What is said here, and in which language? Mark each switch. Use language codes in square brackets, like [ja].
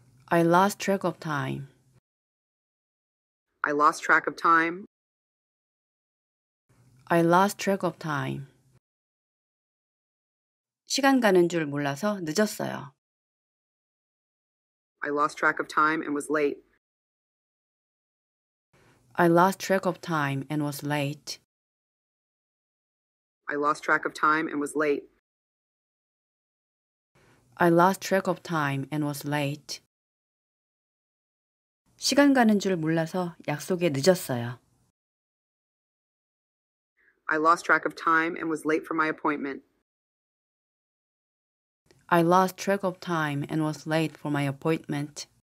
[en] I lost track of time. I lost track of time. I lost track of time. [ko] 시간 가는 줄 몰라서 늦었어요. [en] I lost track of time and was late. I lost track of time and was late. I lost track of time and was late. I lost track of time and was late. [ko] 시간 가는 줄 몰라서 약속에 늦었어요. [en] I lost track of time and was late for my appointment. I lost track of time and was late for my appointment.